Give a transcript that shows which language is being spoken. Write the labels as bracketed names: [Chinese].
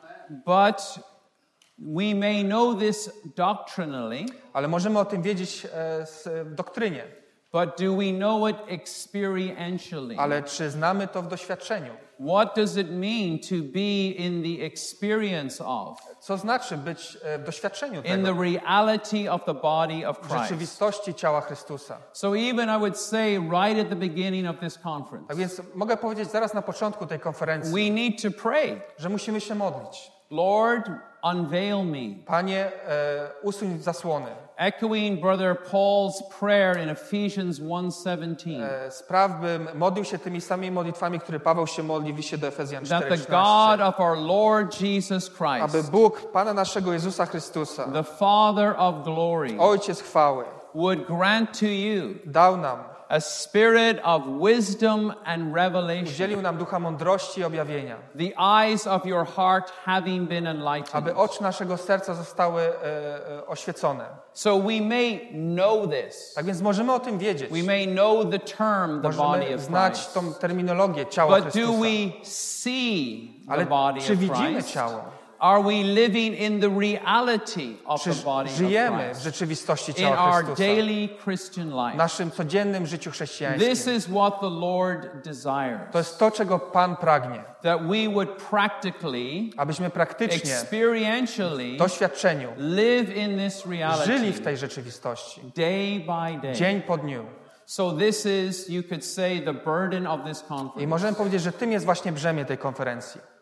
[English] But we may know this doctrinally. [Polish] Ale możemy o tym wiedzieć z doktrynie. [English] But do we know it experientially? [Polish] Ale czy znamy to w doświadczeniu? [English] What does it mean to be in the experience of? [Polish] Co znaczy być w doświadczeniu tego? [English] In the reality of the body of Christ. [Polish] W rzeczywistości ciała Chrystusa. [English] So even I would say right at the beginning of this conference. [Polish] Tak więc mogę powiedzieć zaraz na początku tej konferencji. [English] We need to pray. [Polish] Że musimy się modlić. [English] Lord, unveil me. [Polish] Panie, usuń zasłony. [English] Echoing brother Paul's prayer in Ephesians 1:17. [Polish] Sprawbym modlił się tymi samymi modlitwami, które Paweł się modli w liście do Efezjan 4:13. [English] That the God of our Lord Jesus Christ. [Polish] Aby Bóg Pana naszego Jezusa Chrystusa. [English] The Father of glory. [Polish] Ojciec chwały. [English] Would grant to you. [Polish] Dał nam. [English] A spirit of wisdom and revelation. [Polish] Udzielił nam ducha mądrości i objawienia. [English] The eyes of your heart having been enlightened. [Polish] Aby oczy naszego serca zostały oświecone. [English] So we may know this. [Polish] Tak więc możemy o tym wiedzieć. [English] We may know the term, the [Polish] możemy [English] body of Christ. [Polish] Znać tą terminologię ciała [English] but [Polish] Chrystusa. [English] Do we see the body of Christ? [Polish] Czy widzimy ciało? [English] Are we living in the reality of the body of Christ? [Polish] Żyjemy w rzeczywistości ciała Chrystusa. [English] In our daily Christian life. [Polish] W naszym codziennym życiu chrześcijańskim. [English] This is what the Lord desires. [Polish] To jest to, czego Pan pragnie. [English] That we would practically, [Polish] abyśmy praktycznie, [English] experientially, [Polish] w doświadczeniu, [English] live in this reality. [Polish] Żyli w tej rzeczywistości. [English] Day by day. [Polish] Dzień po dniu. [English] So this is, you could say, the burden of this conference. [Polish] I możemy powiedzieć, że tym jest właśnie brzemię tej konferencji.